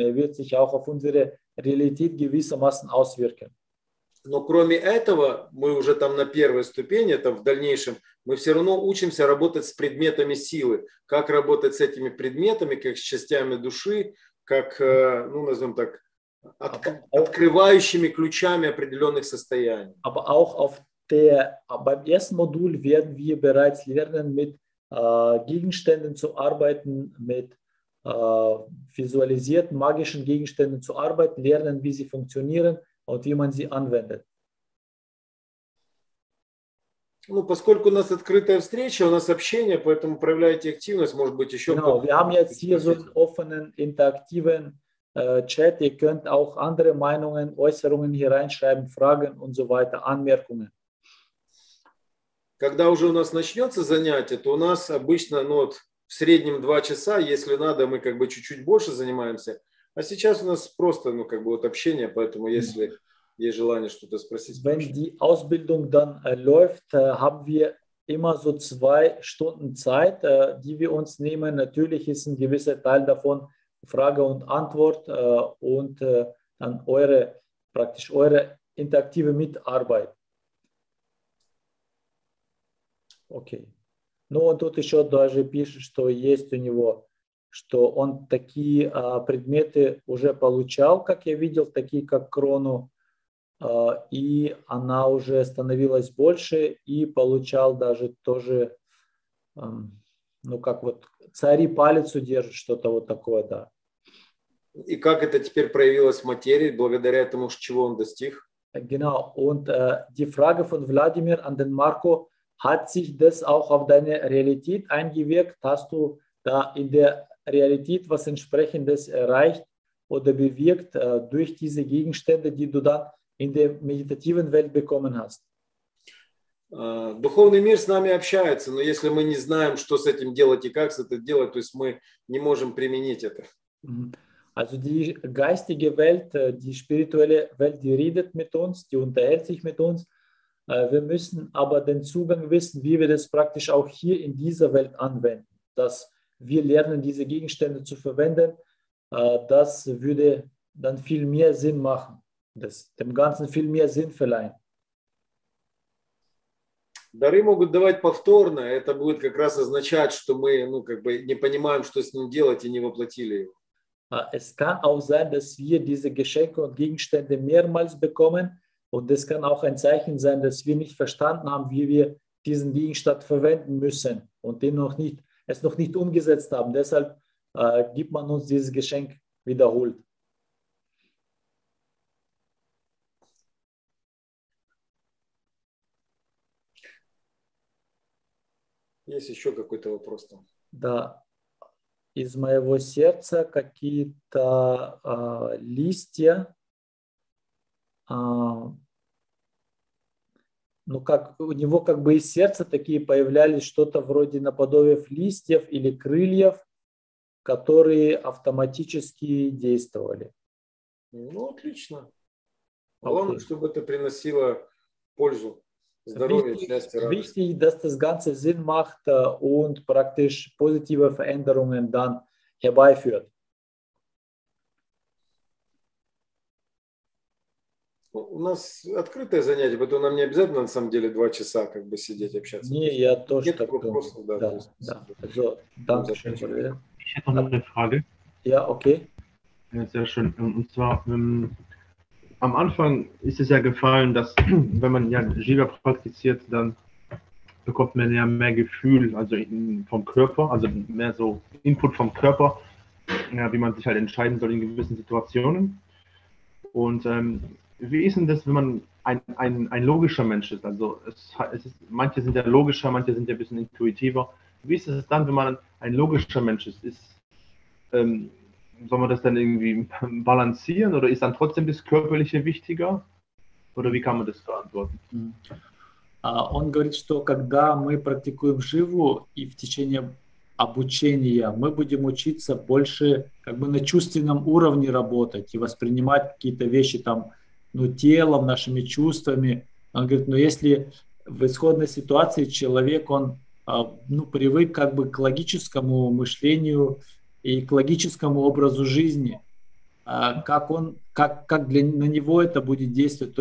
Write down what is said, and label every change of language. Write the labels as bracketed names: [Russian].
[German] Er wird sich auch auf unsere Realität gewissermaßen auswirken. [Russian] Но кроме этого, мы уже там на первой ступени, там в дальнейшем, мы все равно учимся работать с предметами силы. Как работать с этими предметами, как с частями души, как, ну, назовем так, открывающими ключами определенных состояний. [German] Aber auch auf der, beim ersten Modul werden wir bereits lernen, mit Gegenständen zu arbeiten, mit visualisierten magischen Gegenständen zu arbeiten, lernen, wie sie funktionieren und wie man sie anwendet. [Russian] Ну, поскольку у нас открытая встреча, у нас общение, поэтому проявляйте активность, может быть, еще... [German] Genau, wir haben jetzt hier so einen offenen, interaktiven Chat. Ihr könnt auch andere Meinungen, Äußerungen hier reinschreiben, Fragen und so weiter, Anmerkungen. [Russian] Когда уже у нас начнется занятие, то у нас обычно, ну вот, в среднем 2 часа, если надо, мы как бы чуть-чуть больше занимаемся. А сейчас у нас просто, ну, как бы вот общение, поэтому если есть желание что-то спросить. [German] Wenn die Ausbildung dann läuft, haben wir immer so 2 Stunden Zeit, die wir uns nehmen. Natürlich ist ein gewisser Teil davon Frage und Antwort und dann eure, praktisch eure interaktive Mitarbeit. [Russian] Окей. Ну, он тут еще даже пишет, что есть у него, что он такие предметы уже получал, как я видел, такие как крону, и она уже становилась больше, и получал даже тоже, ну, как вот цари палец удержат, что-то вот такое, да. И как это теперь проявилось в материи, благодаря тому, чего он достиг? [German] Genau, und die Frage von Vladimir an den Marco, hat sich das auch auf deine Realität eingewirkt? Hast du da in der Realität was Entsprechendes erreicht oder bewirkt durch diese Gegenstände, die du dann in der meditativen Welt bekommen hast? [Russian] Духовный мир с нами общается, но если мы не знаем, что с этим делать и как это делать, то есть мы не можем применить это. [German] Also die geistige Welt, die spirituelle Welt, die redet mit uns, die unterhält sich mit uns. Wir müssen aber den Zugang wissen, wie wir das praktisch auch hier in dieser Welt anwenden. Dass wir lernen, diese Gegenstände zu verwenden, das würde dann viel mehr Sinn machen, das dem Ganzen viel mehr Sinn verleihen. [Russian] Дары могут давать повторно. Это будет как раз означать, что мы, ну, как бы не понимаем, что с ним делать, и не воплотили его. [German] Es kann auch sein, dass wir diese Geschenke und Gegenstände mehrmals bekommen. Und es kann auch ein Zeichen sein, dass wir nicht verstanden haben, wie wir diesen Gegenstand verwenden müssen und den noch nicht, es noch nicht umgesetzt haben. Deshalb gibt man uns dieses Geschenk wiederholt. [Russian] Есть еще какой-то вопрос там? Да. Из моего сердца какие-то листья. Ну, как у него как бы из сердца такие появлялись что-то вроде наподобие листьев или крыльев, которые автоматически действовали. Ну, отлично. Главное, okay. чтобы это приносило пользу. Здоровье, [German] wichtig, wichtig, dass das Ganze Sinn macht und praktisch positive Veränderungen dann herbeiführt. [Russian] У нас открытое занятие, поэтому нам не обязательно на самом деле два часа как бы сидеть общаться. Не, я тоже так думаю. Да, да. [German] Ich hätte noch eine Frage. Ja, okay. Sehr schön. Und zwar am Anfang ist es ja gefallen, dass wenn man ja Jiva praktiziert, dann bekommt man ja mehr Gefühl, also vom Körper, also mehr so Input vom Körper, ja, wie man sich halt entscheiden soll in gewissen Situationen. Und wie ist denn das, wenn man ein logischer Mensch ist? Also es ist, manche sind ja logischer, manche sind ja ein bisschen intuitiver. Wie ist es dann, wenn man ein logischer Mensch ist? Soll man das dann irgendwie balancieren oder ist dann trotzdem das Körperliche wichtiger? Oder wie kann man das beantworten? [Russian] Он говорит, что когда мы практикуем Шиву и в течение обучения мы будем учиться больше как бы на чувственном уровне работать и воспринимать какие-то вещи там, ну, телом, нашими чувствами. Он говорит, но если в исходной ситуации человек, он, ну, привык как бы к логическому мышлению и к логическому образу жизни, как для, на него это будет действовать?